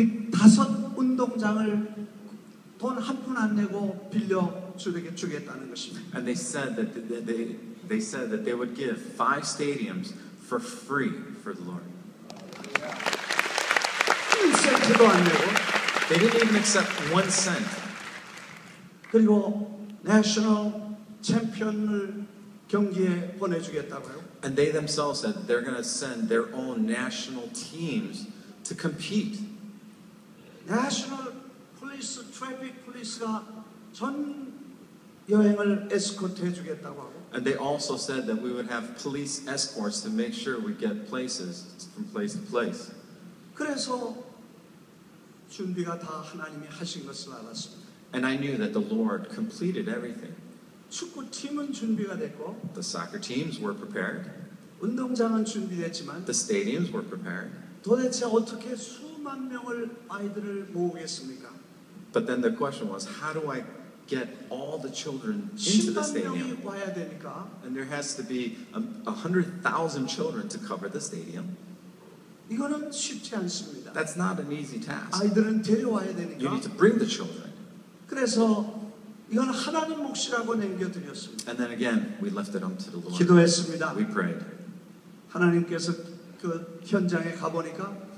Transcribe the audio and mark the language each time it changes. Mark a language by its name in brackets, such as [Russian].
[Korean] 다섯 운동장을 돈 한 푼 안 내고 빌려 주에게 주겠다는 것입니다. [English] And they said that they said that they would give 5 stadiums for free for the Lord. [Korean] 한 센트도 안 내고. [English] They didn't even accept 1 cent. [Korean] 그리고 national 챔피언을 경기에 보내주겠다고요. [English] And they themselves said they're going to send their own national teams to compete. National police, traffic police [Korean] 가 전 여행을 에스코트 해주겠다고 하고. [English] And they also said that we would have police escorts to make sure we get places from place to place. [Korean] 그래서 준비가 다 하나님이 하신 것을 알았습니다. [English] And I knew that the Lord completed everything. [Korean] 축구 팀은 준비가 됐고. [English] The soccer teams were prepared. [Korean] 운동장은 준비됐지만. [English] The stadiums were prepared. [Korean] 도대체 어떻게 수만 명을 아이들을 모으겠습니까? [English] But then the question was, how do I get all the children into the stadium? [Korean] 10만 명이 와야 되니까. [English] And there has to be 100,000 children to cover the stadium. [Korean] 이거는 쉽지 않습니다. [English] That's not an easy task. [Korean] 아이들은 데려와야 되니까. [English] You need to bring the children. [Korean] 그래서 이건 하나님 몫이라고 남겨드렸습니다. [English] And then again, we left it unto the Lord. [Korean] 기도했습니다. [English] We prayed. [Korean] 하나님께서 그 현장에 가보니까